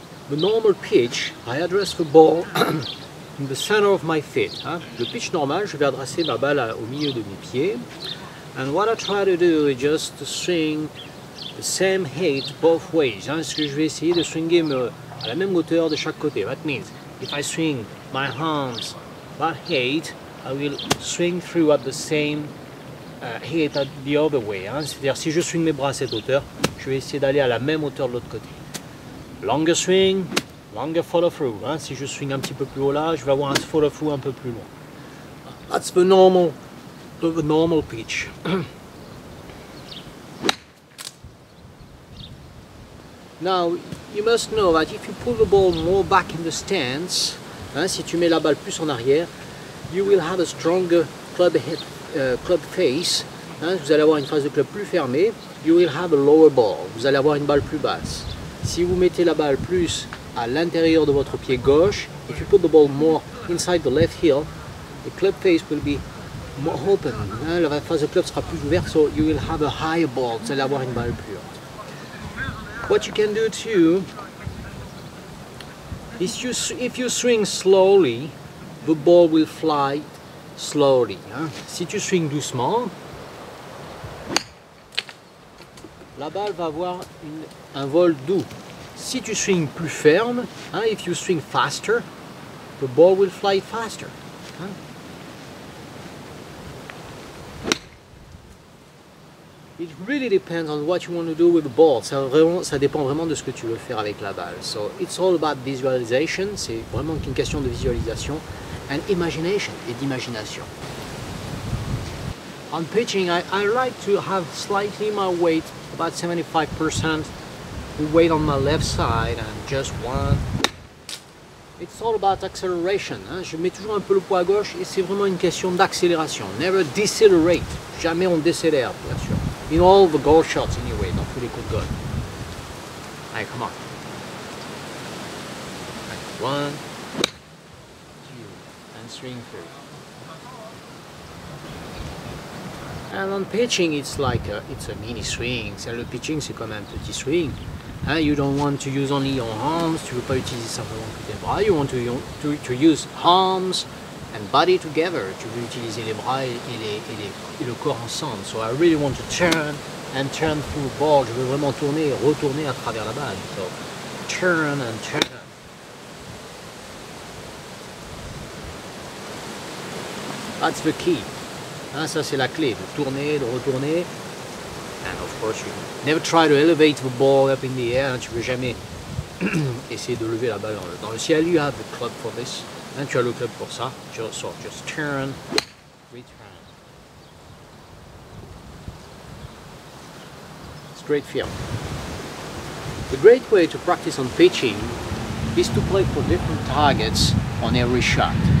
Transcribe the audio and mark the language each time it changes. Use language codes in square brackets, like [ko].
[en] The normal pitch, I address the ball in the center of my feet. Hein? [fr] Le pitch normal, je vais adresser ma balle au milieu de mes pieds. [en] And what I try to do is just to swing the same height both ways. Hein? [fr] Ce que je vais essayer de swinger à la même hauteur de chaque côté. [en] That means, if I swing my arms that height, I will swing through at the same height the other way. Hein? [fr] C'est-à-dire, si je swing mes bras à cette hauteur, je vais essayer d'aller à la même hauteur de l'autre côté. [en] Longer swing, longer follow through. [fr] Hein? Si je swing un petit peu plus haut là, je vais avoir un follow through un peu plus loin. [en] That's the normal pitch. Now, you must know that if you pull the ball more back in the stance, [fr] hein, si tu mets la balle plus en arrière, [en] you will have a stronger club head, club face. [fr] Hein, vous allez avoir une face de club plus fermée. [en] You will have a lower ball. [fr] Vous allez avoir une balle plus basse. Si vous mettez la balle plus à l'intérieur de votre pied gauche, [en] if you put the ball more inside the left heel, the club face will be more open. [fr] Hein, la face de club sera plus ouverte, [en] so you will have a higher ball. [fr] Vous allez avoir une balle plus haute. [en] What you can do too is if you swing slowly, the ball will fly slowly. Hein? [fr] Si tu swing doucement, la balle va avoir un vol doux. Si tu swing plus ferme, hein, [en] if you swing faster, the ball will fly faster. Hein? It really depends on what you want to do with the ball. [fr] Ça dépend vraiment de ce que tu veux faire avec la balle. [en] So it's all about visualization. [fr] C'est vraiment qu'une question de visualisation [en] and imagination [fr] et d'imagination. [en] On pitching, I like to have slightly my weight, about 75% weight on my left side and just one. It's all about acceleration. Hein? [fr] Je mets toujours un peu le poids à gauche et c'est vraiment une question d'accélération. [en] Never decelerate. [fr] Jamais on décélère, bien sûr. [en] In all the goal shots, anyway, not really good. Good. Alright, come on. Right, one, two, and swing through. And on pitching, it's a mini swing. [fr] C'est le pitching, c'est comme un petit swing. Hein? [en] You don't want to use only your arms. [fr] Tu veux pas utiliser simplement que tes bras. [en] You want to use arms and body together. [fr] Tu veux utiliser les bras et le corps ensemble. [en] So I really want to turn and turn through the ball. [fr] Je veux vraiment tourner et retourner à travers la balle. [en] So turn and turn. That's the key. [fr] Hein, ça c'est la clé, de tourner, de retourner. [en] And of course you never try to elevate the ball up in the air. [fr] Hein, tu veux jamais essayer de lever la balle dans le ciel. [en] You have the club for this. [fr] Hein, tu as le club pour ça. [en] So just turn, return. Straight field. The great way to practice on pitching is to play for different targets on every shot.